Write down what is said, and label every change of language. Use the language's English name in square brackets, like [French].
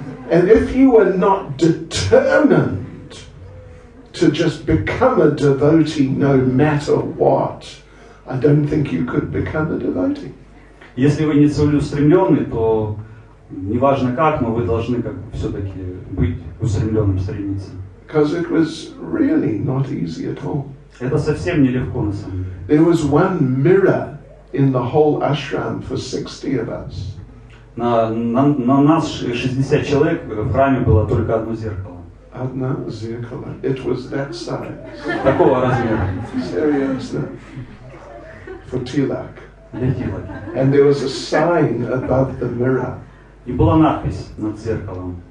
[English] And if you were not determined to just become a devotee no matter what, I don't think you could become a devotee. [Russian] Если вы не целеустремленный, то неважно как, но вы должны как все-таки быть устремленным, стремиться. [English] Because it was really not easy at all. [Russian] Это совсем не легко на самом деле. [English] There was one mirror in the whole ashram for 60 of us. [Russian] На нас 60 человек, в храме было только одно зеркало. Одно зеркало. [English] It was that size. [Russian] Такого размера. [English] Seriously. For Tilak. [Russian] Для Тилака. [English] And there was a sign above the mirror. [Russian] И была надпись над зеркалом.